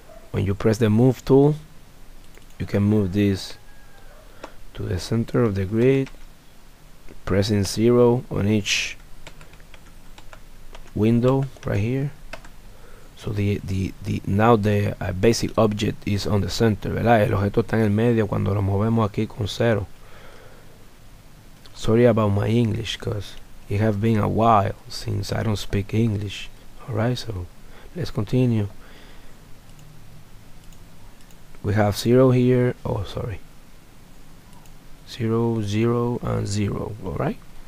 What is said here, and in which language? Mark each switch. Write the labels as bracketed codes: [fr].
[en] When you press the move tool, you can move this to the center of the grid, pressing 0 on each window right here. So the basic object is on the center, [es] ¿verdad? El objeto está en el medio cuando lo movemos aquí con cero. [en] Sorry about my English, because it has been a while since I don't speak English. Alright, so let's continue. We have 0 here. Oh, sorry. 0, 0, and 0. Alright.